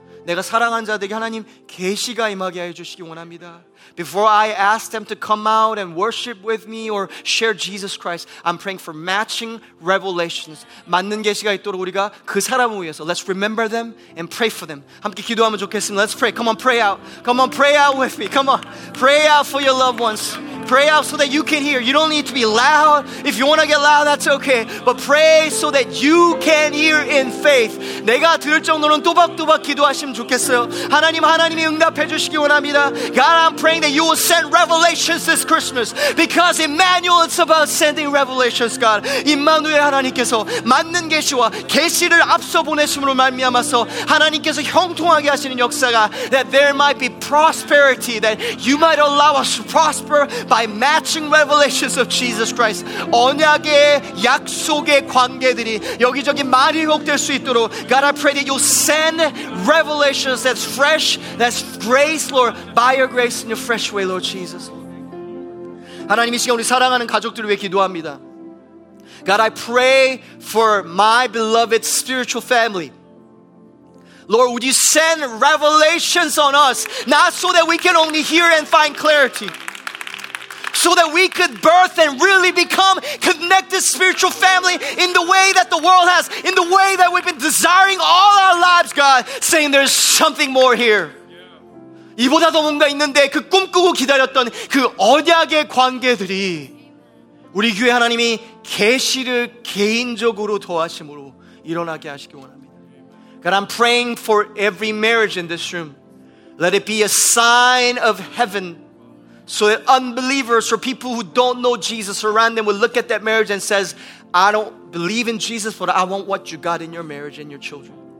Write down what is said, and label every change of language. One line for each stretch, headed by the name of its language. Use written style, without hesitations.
Korean: 내가 사랑하는 자들에게 하나님 계시가 임하게 해 주시기 원합니다.
English: Before I ask them to come out and worship with me or share Jesus Christ, I'm praying for matching revelations.
Korean: 맞는 계시가 있도록 우리가 그 사람을 위해서
English: let's remember them and pray for them.
Korean: 함께 기도하면 좋겠습니다.
English: Let's pray. Come on, pray out. Come on, pray out with me. Come on. Pray out for your loved ones. Pray out so that you can hear. You don't need to be loud. If you want to get loud, that's okay. But pray so that you can hear in faith.
Korean: 내가 들을 정도는 또박또박 기도하시면 좋겠어요. 하나님, 하나님이 응답해 주시기 원합니다.
English: God, I'm praying that you will send revelations this Christmas. Because Emmanuel, it's about sending revelations, God.
Korean: 임마누엘 하나님께서 맞는 계시와 계시를 앞서 보내심으로 말미암아서 하나님께서 형통하게 하시는 역사가
English: that there might be prosperity, that you might allow us to prosper by matching revelations of Jesus Christ.
Korean: 언약의 약속의 관계들이 여기저기 많이 회복될 수 있도록
English: God, I pray that you'll send revelations that's fresh, that's grace, Lord, by your grace in your fresh way, Lord Jesus.
Korean: 하나님 이 시간 우리 사랑하는 가족들을 위해 기도합니다.
English: God, I pray for my beloved spiritual family. Lord, would you send revelations on us, not so that we can only hear and find clarity, so that we could birth and really become connected spiritual family in the way that the world has, in the way that we've been desiring all our lives, God, saying there's something more here. Yeah.
Korean: 이보다도 뭔가 있는데 그 꿈꾸고 기다렸던 그 언약의 관계들이 우리 교회 하나님이 계시를 개인적으로 도하심으로 일어나게 하시기 원합니다.
English: God, I'm praying for every marriage in this room. Let it be a sign of heaven. So that unbelievers or people who don't know Jesus around them will look at that marriage and says, I don't believe in Jesus, but I want what you got in your marriage and your children.